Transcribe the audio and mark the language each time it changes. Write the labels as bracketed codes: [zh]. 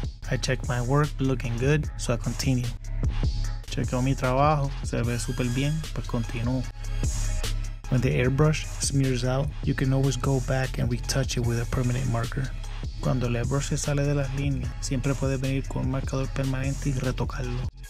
[en] I check my work looking good, so I continue. [es] Chequeo mi trabajo, se ve super bien, pues continuo. [en] When the airbrush smears out, you can always go back and retouch it with a permanent marker. [es] Cuando el airbrush se sale de las líneas, siempre puedes venir con un marcador permanente y retocarlo.